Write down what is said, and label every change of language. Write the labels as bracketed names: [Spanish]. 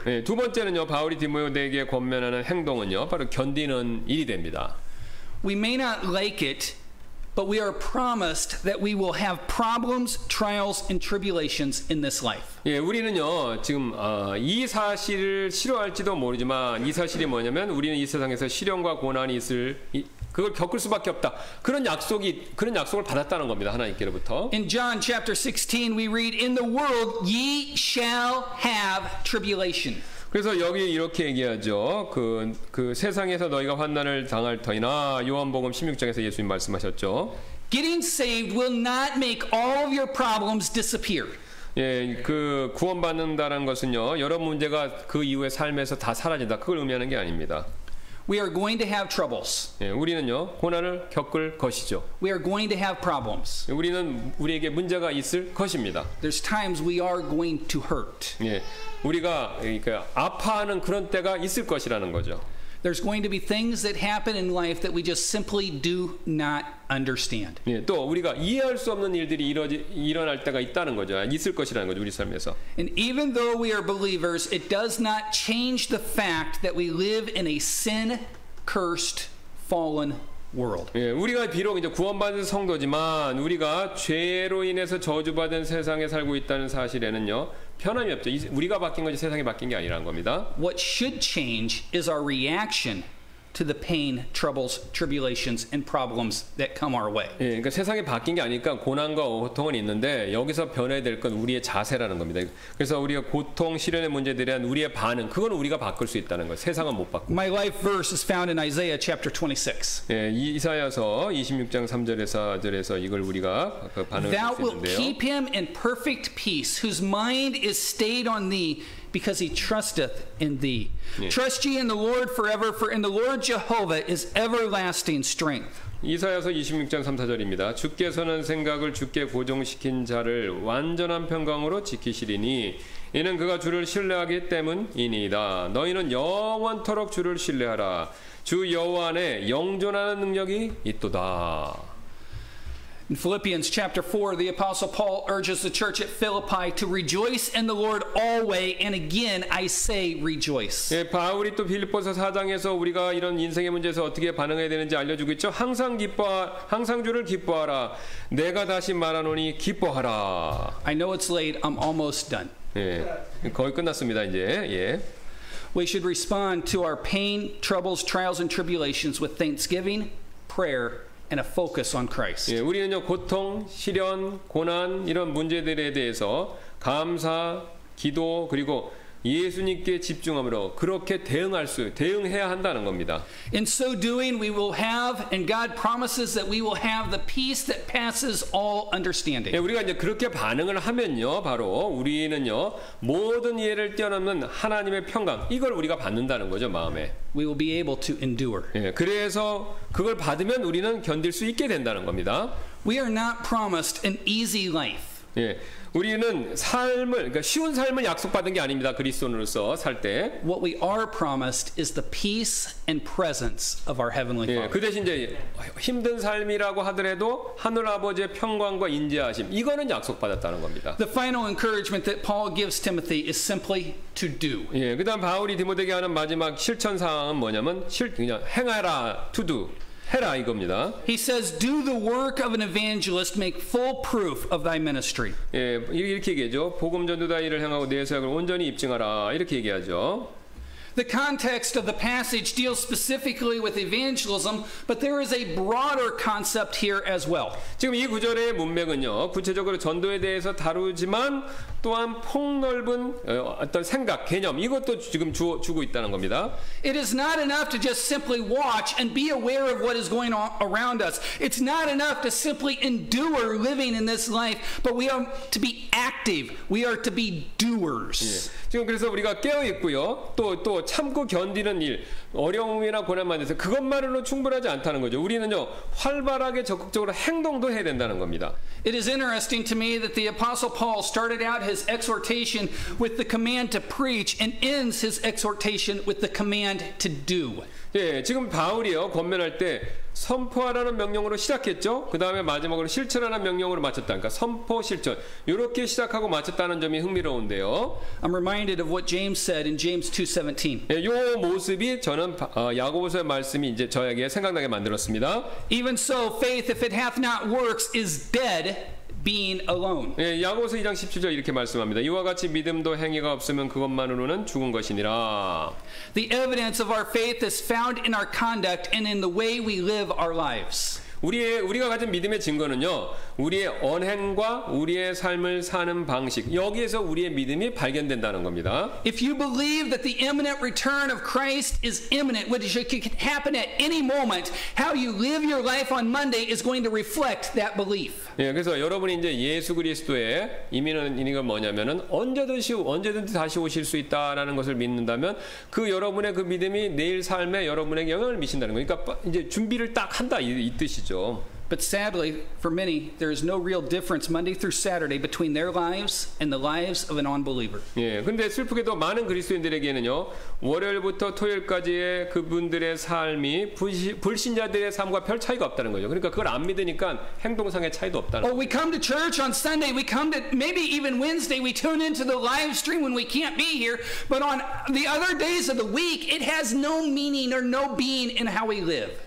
[Korean] 예, 두 번째는요. 바울이 디모데에게 권면하는 행동은요. 바로 견디는 일이 됩니다. [English] We may not like it, but we are promised that we will have problems, trials, and tribulations in this life. [Korean] 예, 우리는요 지금 이 사실을 싫어할지도 모르지만 이 사실이 뭐냐면 우리는 이 세상에서 시련과 고난이 있을 그걸 겪을 수밖에 없다. 그런 약속을 받았다는 겁니다. 하나님께로부터. [English] In John chapter 16, we read, "In the world ye shall have tribulation." [Korean] 그래서 여기 이렇게 얘기하죠. 그 세상에서 너희가 환난을 당할 터이나 요한복음 16장에서 예수님 말씀하셨죠. [English] Getting saved will not make all of your problems disappear. [Korean] 예, 그 구원받는다는 것은요. 여러 문제가 그 이후의 삶에서 다 사라진다. 그걸 의미하는 게 아닙니다. [English] We are going to have troubles. [Korean] 예, 우리는요. 고난을 겪을 것이죠. [English] We are going to have problems. [Korean] 우리는 우리에게 문제가 있을 것입니다. [English] There's times we are going to hurt. [Korean] 예. 우리가 그러니까 아파하는 그런 때가 있을 것이라는 거죠. [English] There's going to be things that happen in life that we just simply do not understand. [Korean] 예, 또 우리가 이해할 수 없는 일들이 일어날 때가 있다는 거죠. 있을 것이라는 거죠, 우리 삶에서. [English] And even though we are believers, it does not change the fact that we live in a sin-cursed, fallen world. [Korean] 예, 우리가 비록 이제 구원받은 성도지만 우리가 죄로 인해서 저주받은 세상에 살고 있다는 사실에는요. 편함이 없죠. 우리가 바뀐 거지 세상이 바뀐 게 아니라는 겁니다. [English] What should change is our reaction to the pain, troubles, tribulations, and problems that come our way. [Korean] 예, 그러니까 세상이 바뀐 게 아니니까 고난과 고통은 있는데 여기서 변해야 될 건 우리의 자세라는 겁니다. 그래서 우리가 고통, 시련의 문제들에 대한 우리의 반응, 그건 우리가 바꿀 수 있다는 거예요. 세상은 못 바꾸고. [English] My life verse is found in Isaiah chapter 26. [Korean] 예, 이사야서 26장 3절에서 4절에서 이걸 우리가 그 반응을 [English] Thou will keep him in perfect peace, whose mind is stayed on thee. Because he trusteth in thee. [Korean] 예. [English] Trust ye in the Lord forever, for in the Lord Jehovah is everlasting strength. [Korean] 이사야서 26장 3, 4절입니다. 주께서는 생각을 주께 고정시킨 자를 완전한 평강으로 지키시리니 이는 그가 주를 신뢰하기 때문이니이다. 너희는 영원토록 주를 신뢰하라. 주 여호와 안에 영존하는 능력이 있도다. [English] In Philippians chapter 4, the Apostle Paul urges the church at Philippi to rejoice in the Lord always, and again I say rejoice. [Korean] 예, 바울이 또 빌립보서 4장에서 우리가 이런 인생의 문제에서 어떻게 반응해야 되는지 알려주고 있죠. 항상 주를 기뻐하라. 내가 다시 말하노니 기뻐하라. [English] I know it's late. I'm almost done. [Korean] 예, 거의 끝났습니다 이제. 예. [English] We should respond to our pain, troubles, trials, and tribulations with thanksgiving, prayer, and a focus on Christ. [Korean] 예, 우리는요 고통, 시련, 고난 이런 문제들에 대해서 감사, 기도 그리고 예수님께 집중함으로 그렇게 대응해야 한다는 겁니다. [English] In so doing, we will have, and God promises that we will have the peace that passes all understanding. [Korean] 예, 우리가 이제 그렇게 반응을 하면요, 바로 우리는요 모든 이해를 뛰어넘는 하나님의 평강 이걸 우리가 받는다는 거죠 마음에. [English] We will be able to endure. [Korean] 예, 그래서 그걸 받으면 우리는 견딜 수 있게 된다는 겁니다. [English] We are not promised an easy life. [Korean] 예. 우리는 삶을 그러니까 쉬운 삶을 약속받은 게 아닙니다. 그리스도인으로서 살 때. [English] What we are promised is the peace and presence of our heavenly Father. [Korean] 예, 그 대신 이제 힘든 삶이라고 하더라도 하늘 아버지의 평강과 인자하심 이거는 약속받았다는 겁니다. [English] The final encouragement that Paul gives Timothy is simply to do. [Korean] 예, 그다음 바울이 디모데에게 하는 마지막 실천 사항은 뭐냐면 그냥 행하라 [English] to do. [Korean] 해라 이겁니다. [English] He says, "Do the work of an evangelist. Make full proof of thy ministry." [Korean] 예, 이렇게 얘기하죠. 복음 전도자 일을 행하고 내 사역을 온전히 입증하라. 이렇게 얘기하죠. [English] The context of the passage deals specifically with evangelism, but there is a broader concept here as well. [Korean] 지금 이 구절의 문맥은요, 구체적으로 전도에 대해서 다루지만 또한 폭넓은 어떤 생각, 개념 이것도 지금 주고 있다는 겁니다. [English] It is not enough to just simply watch and be aware of what is going on around us. It's not enough to simply endure living in this life, but we are to be active. We are to be doers. [Korean] 예. 지금 그래서 우리가 깨어 있고요. 또 참고 견디는 일, 어려움이나 고난만 있어서 그것만으로 충분하지 않다는 거죠. 우리는요, 활발하게 적극적으로 행동도 해야 된다는 겁니다. [English] It is interesting to me that the Apostle Paul started out his exhortation with the command to preach and ends his exhortation with the command to do. [Korean] 예, 지금 바울이요, 권면할 때 선포하라는 명령으로 시작했죠. 그 다음에 마지막으로 실천하라는 명령으로 마쳤다. 그러니까 선포, 실천 이렇게 시작하고 마쳤다는 점이 흥미로운데요. [English] I'm reminded of what James said in James 2:17. [Korean] 예, 이 모습이 저는 야고보서의 말씀이 이제 저에게 생각나게 만들었습니다. [English] Even so, faith if it hath not works is dead. Being alone. [Korean] 예, 야고보서 2장 17절 이렇게 말씀합니다. 이와 같이 믿음도 행위가 없으면 그것만으로는 죽은 것이니라. [English] The evidence of our faith is found in our conduct and in the way we live our lives. [Korean] 우리가 가진 믿음의 증거는요, 우리의 언행과 우리의 삶을 사는 방식 여기에서 우리의 믿음이 발견된다는 겁니다. [English] If you believe that the imminent return of Christ is imminent, which could happen at any moment, how you live your life on Monday is going to reflect that belief. [Korean] 예, 그래서 여러분이 이제 예수 그리스도의 이민은 이거 뭐냐면은 언제든지 다시 오실 수 있다라는 것을 믿는다면 그 여러분의 그 믿음이 내일 삶에 여러분에게 영향을 미친다는 거. 그러니까 이제 준비를 딱 한다 이 뜻이. [English] But sadly, for many, there is no real difference Monday through Saturday between their lives and the lives of an unbeliever. [Korean] 예, 근데 슬프게도 많은 그리스도인들에게는요, 월요일부터 토요일까지의 그분들의 삶이 불신자들의 삶과 별 차이가 없다는 거죠. 그러니까 그걸 안 믿으니까 행동상의 차이도 없다는. [English] Oh, we come to church on Sunday. We come to maybe even Wednesday. We tune into the live stream when we can't be here. But on the other days of the week, it has no meaning or no being in how we live.